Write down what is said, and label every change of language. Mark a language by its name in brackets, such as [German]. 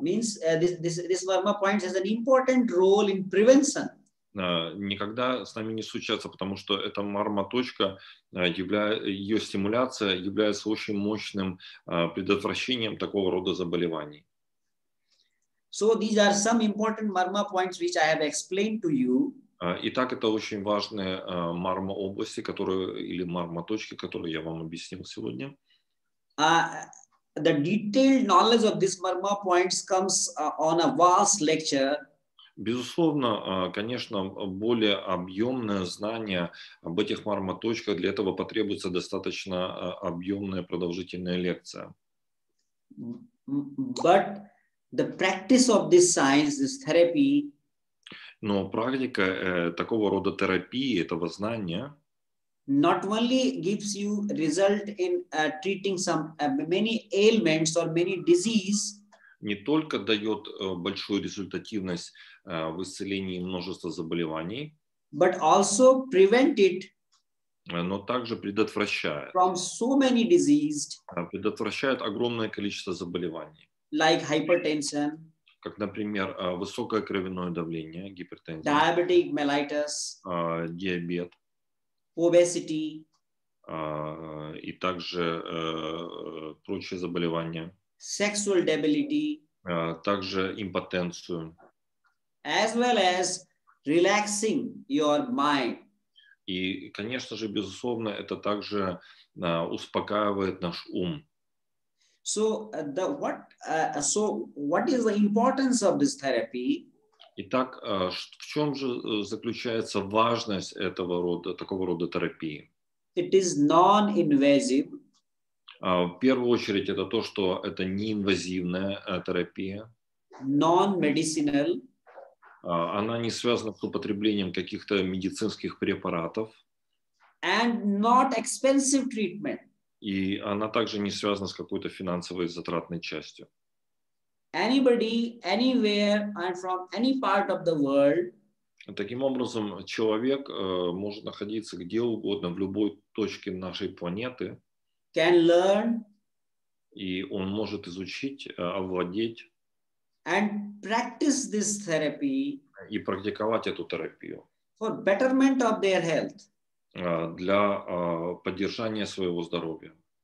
[English] Means this marma point has an important role in prevention. [Russian] Никогда с нами не случается, потому что эта марма-точка, ее стимуляция является очень мощным предотвращением такого рода заболеваний. [English] So these are some important marma points which I have explained to you. [Russian] Итак, это очень важные марма-области, которые, или марма-точки, которые я вам объяснил сегодня. [English] The detailed knowledge of these marma points comes on a vast lecture. [Russian] Безусловно, конечно, более объемное знание об этих марма-точках, для этого потребуется достаточно объемная продолжительная лекция. [English] But the practice of this science, this therapy, [Russian] но практика такого рода терапии, этого знания, [English] not only gives you result in treating some many ailments or many disease, [Russian] не только дает большую результативность в исцелении множества заболеваний, [English] but also prevent it, [Russian] но также предотвращает, [English] from so many diseased, [Russian] предотвращает огромное количество заболеваний, [English] like hypertension, [Russian] как, например, высокое кровяное давление, гипертензия, [English] diabetic mellitus, [Russian] диабет, [English] obesity, [Russian] и также прочие заболевания, [English] sexual debility, [Russian] также импотенцию, [English] as well as relaxing your mind. [Russian] И, конечно же, безусловно, это также успокаивает наш ум. [English] So what is the importance of this therapy? [Russian] Итак, в чем же заключается важность этого рода, такого рода терапии? [English] It is non-invasive. [Russian] В первую очередь, это то, что это неинвазивная терапия. [English] Non-medicinal. [Russian] Она не связана с употреблением каких-то медицинских препаратов. [English] And not expensive treatment. [Russian] И она также не связана с какой-то финансовой затратной частью. [English] Anybody, anywhere, and from any part of the world. [Russian] Таким образом, человек может находиться где угодно, в любой точке нашей планеты. [English] Can learn. [Russian] И он может изучить, овладеть. [English] And practice this therapy. [Russian] И практиковать эту терапию. [English] For betterment of their health. [Russian] Для поддержания своего здоровья.